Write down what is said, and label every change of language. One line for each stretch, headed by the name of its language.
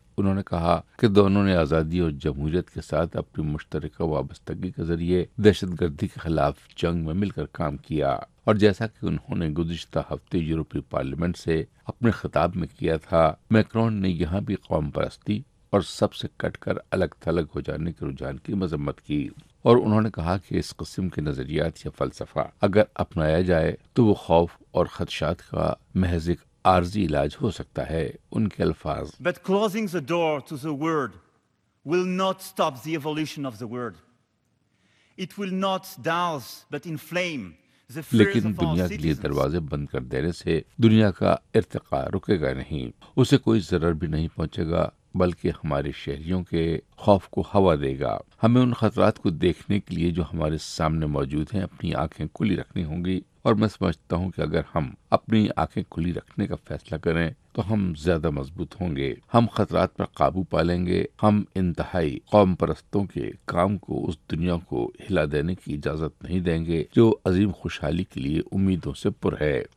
Urdu: انہوں نے کہا کہ دونوں نے آزادی اور جمہوریت کے ساتھ اپنی مشترکہ وابستگی کے ذریعے دہشت گردی کے خلاف جنگ میں مل کر کام کیا, اور جیسا کہ انہوں نے گزشتہ ہفتے یورپی پارلیمنٹ سے اپنے خطاب میں کیا تھا, میکرون نے یہاں بھی قوم پرستی اور سب سے کٹ کر الگ تھلگ ہو جانے کے رجحان کی مذمت کی, اور انہوں نے کہا کہ اس قسم کے نظریات یا فلسفہ اگر اپنایا جائے تو وہ خوف اور خدشات کا محض ایک عارضی علاج ہو سکتا ہے. ان کے الفاظ,
English: But closing the door to the word will not stop the evolution of the word. It will not douse but inflame the fears.
Urdu: لیکن دنیا کے لیے دروازے بند کر دینے سے دنیا کا ارتقاء رکے گا نہیں, اسے کوئی ضرر بھی نہیں پہنچے گا, بلکہ ہمارے شہریوں کے خوف کو ہوا دے گا. ہمیں ان خطرات کو دیکھنے کے لیے جو ہمارے سامنے موجود ہیں اپنی آنکھیں کھلی رکھنی ہوں گی, اور میں سمجھتا ہوں کہ اگر ہم اپنی آنکھیں کھلی رکھنے کا فیصلہ کریں تو ہم زیادہ مضبوط ہوں گے, ہم خطرات پر قابو پا لیں گے, ہم انتہائی قوم پرستوں کے کام کو اس دنیا کو ہلا دینے کی اجازت نہیں دیں گے جو عظیم خوشحالی کے لیے امیدوں سے پر ہے.